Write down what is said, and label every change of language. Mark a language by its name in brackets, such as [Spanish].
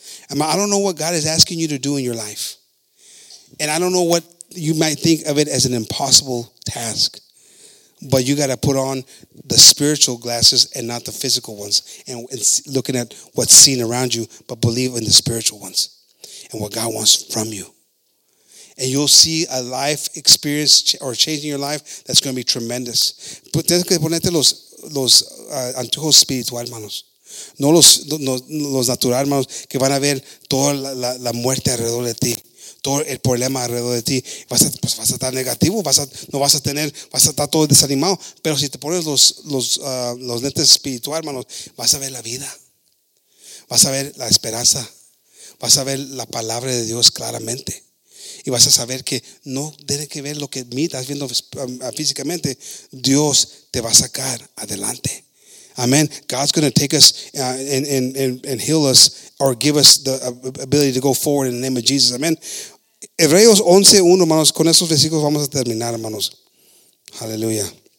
[English] I don't know what God is asking you to do in your life. And I don't know what you might think of it as an impossible task, but you got to put on the spiritual glasses and not the physical ones and looking at what's seen around you, but believe in the spiritual ones and what God wants from you. And you'll see a life experience or change in your life that's going to be tremendous. But [Spanish] tienes que ponerte los antojos espirituales, hermanos. No los naturales, hermanos, que van a ver toda la muerte alrededor de ti. Todo el problema alrededor de ti, vas a estar negativo, vas a estar todo desanimado. Pero si te pones los lentes espirituales, hermanos, vas a ver la vida. Vas a ver la esperanza. Vas a ver la palabra de Dios claramente. Y vas a saber que no tiene que ver lo que estás viendo físicamente. Dios te va a sacar adelante. Amen. [English] God's going to take us and heal us or give us the ability to go forward in the name of Jesus. [Spanish] Amen. Hebreos 11:1, hermanos. Con esos versículos vamos a terminar, hermanos. Hallelujah.